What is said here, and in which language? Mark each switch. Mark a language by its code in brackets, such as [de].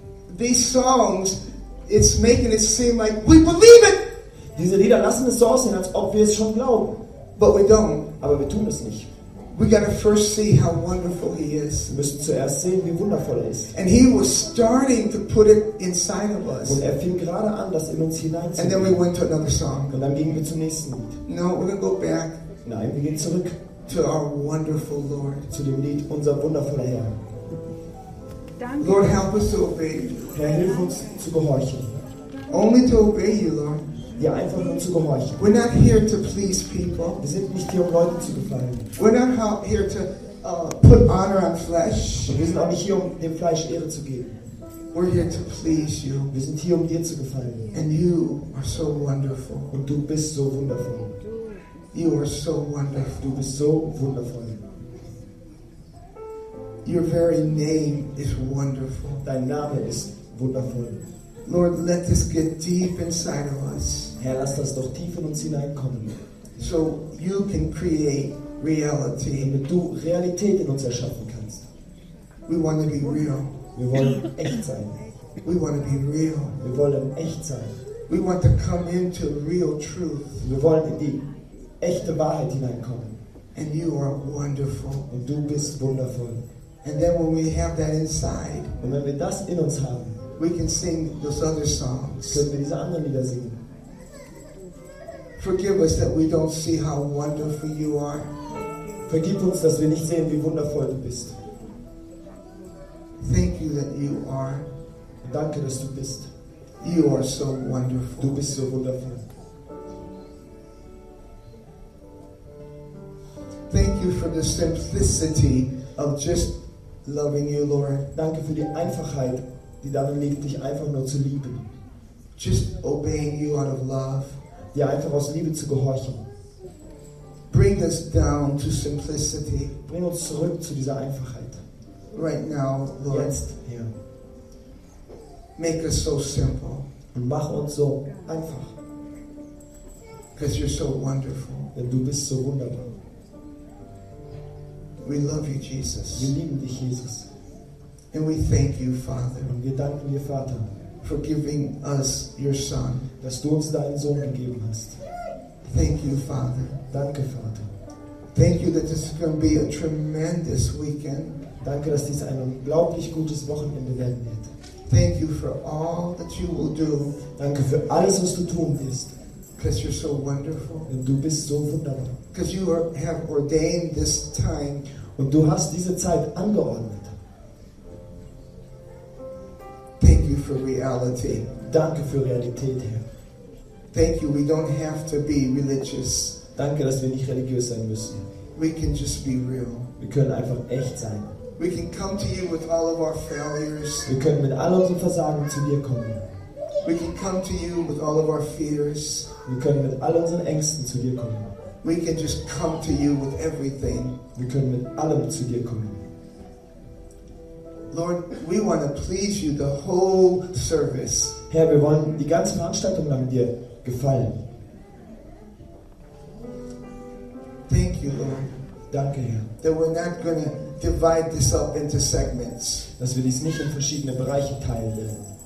[en] These songs, it's making it seem like we believe it. [de] Diese Lieder lassen es so aussehen, als ob wir es schon glauben. [en] But we don't. [de] Aber wir tun es nicht. [en] We gotta first see how wonderful he is. [de] Wir müssen zuerst sehen, wie wundervoll er ist. [en] And he was starting to put it inside of us. [de] Und er fing gerade an, das in uns hineinzubringen. [en] And then we went to another song. [de] Und dann gingen wir zum nächsten Lied. [en] No, we're gonna go back. [de] Nein, wir gehen zurück. [en] To our wonderful Lord. [de] Zu dem Lied unser wundervoller Herr. Danke. [en] Lord, help us to obey. [de] Herr, hilf uns zu gehorchen. [en] Only to obey you, Lord. [de] Ja, einfach nur zu gehorchen. [en] We're not here to please people. [de] Wir sind nicht hier, um Leuten zu gefallen. [en] We're not here to put honor on flesh. [de] Und wir sind auch nicht hier, um dem Fleisch Ehre zu geben. [en] We're here to please you. [de] Wir sind hier, um dir zu gefallen. [en] And you are so wonderful. [de] Und du bist so wundervoll. [en] You are so wonderful. [de] Du bist so wundervoll. [en] Your very name is wonderful. [de] Dein Name ist wundervoll. [en] Lord, let this get deep inside of us. [de] Herr, lass das doch tief in uns hineinkommen. [en] So you can create reality. [de] Damit du Realität in uns erschaffen kannst. [en] We want to be real. [de] Wir wollen echt sein. [en] We want to be real. [de] Wir wollen echt sein. [en] We want to come into real truth. [de] Wir wollen in die echte Wahrheit hineinkommen. [en] And you are wonderful. [de] Und du bist wundervoll. [en] And then when we have that inside. [de] Und wenn wir das in uns haben. [en] We can sing those other songs. [de] Können wir diese anderen Lieder singen? [en] Forgive us that we don't see how wonderful you are. [de] Vergib uns, dass wir nicht sehen, wie wundervoll du bist. [en] Thank you that you are. [de] Danke, dass du bist. [en] You are so wonderful. [de] Du bist so wundervoll. [en] Thank you for the simplicity of just loving you, Lord. [de] Danke für die Einfachheit. Die darin liegt, dich einfach nur zu lieben. [en] Just obeying you out of love. [de] Dir einfach aus Liebe zu gehorchen. [en] Bring us down to simplicity. [de] Bring uns zurück zu dieser Einfachheit. [en] Right now, Lord. [de] Jetzt, Herr. [en] Make us so simple. [de] Und mach uns so einfach. [en] Because you're so wonderful. [de] Denn du bist so wunderbar. [en] We love you, Jesus. [de] Wir lieben dich, Jesus. [en] And we thank you, Father. [de] Und wir danken dir, Vater, [en] for giving us your Son. [de] Dass du uns deinen Sohn gegeben hast. [en] Thank you, Father. [de] Danke, Vater. [en] Thank you that this is going to be a tremendous weekend. [de] Danke, dass dies ein unglaublich gutes Wochenende werden wird. [en] Thank you for all that you will do. [de] Danke für alles, was du tun wirst. [en] Because you're so wonderful. [de] Und du bist so wunderbar. [en] Because you have ordained this time. [de] Und du hast diese Zeit angeordnet. [en] For reality. [de] Danke für Realität, Herr. [en] Thank you, we don't have to be religious. [de] Danke, dass wir nicht religiös sein müssen. [en] We can just be real. [de] Wir können einfach echt sein. [en] We can come to you with all of our failures. [de] Wir können mit all unseren Versagen zu dir kommen. [en] We can come to you with all of our fears. [de] Wir können mit all unseren Ängsten zu dir kommen. [en] We can just come to you with everything. [de] Wir können mit allem zu dir kommen. [en] Lord, we want to please you the whole service. [de] Herr, wir wollen die ganze Veranstaltung lang dir gefallen. [en] Thank you, Lord. [de] Danke, Herr. [en] That we're not going to divide this up into segments. [de] Dass wir dies nicht in verschiedene Bereiche teilen werden.